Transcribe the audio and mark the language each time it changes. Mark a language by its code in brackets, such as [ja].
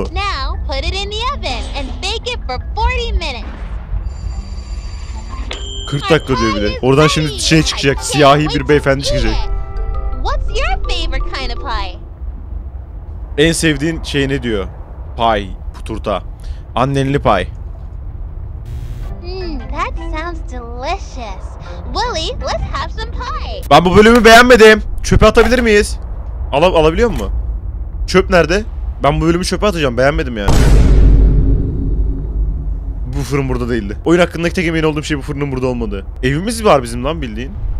[en] Now put it in the oven and bake it for 40 minutes. [tr] 40 dakika diyor bile. Oradan şimdi şey çıkacak, siyahi bir beyefendi çıkacak. [en] What's your favorite kind of pie? [tr] En sevdiğin şey ne diyor? Pie, puturta. Annenli pie. [en] That sounds delicious. Willie, let's have some pie. [tr] Ben bu bölümü beğenmedim. Çöpe atabilir miyiz? Alabiliyor mu? Çöp nerede? Ben bu bölümü çöpe atacağım. Beğenmedim yani. Bu fırın burada değildi. Oyun hakkındaki tek emin olduğum şey bu fırının burada olmadığı. Evimiz var bizim lan bildiğin.